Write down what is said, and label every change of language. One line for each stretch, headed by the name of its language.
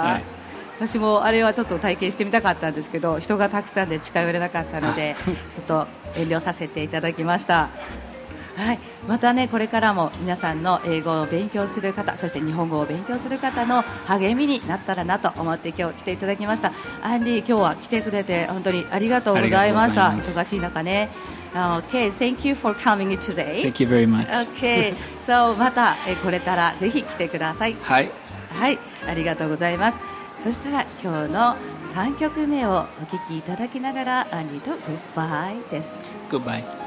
Japanese: はい、私もあれはちょっと体験してみたかったんですけど、人がたくさんで近寄れなかったのでちょっと遠慮させていただきました。はい、またねこれからも皆さんの英語を勉強する方、そして日本語を勉強する方の励みになったらなと思って今日来ていただきました。アンディ今日は来てくれて本当にありがとうございました。忙しい中ね。
English: Okay, thank you for coming today. Thank you very much. Okay, so
Japanese: また来れたらぜひ来てください。はい。はい、ありがとうございます。そしたら今日の3曲目をお聞きいただきながら、アンディとグッバイです。グッバイ。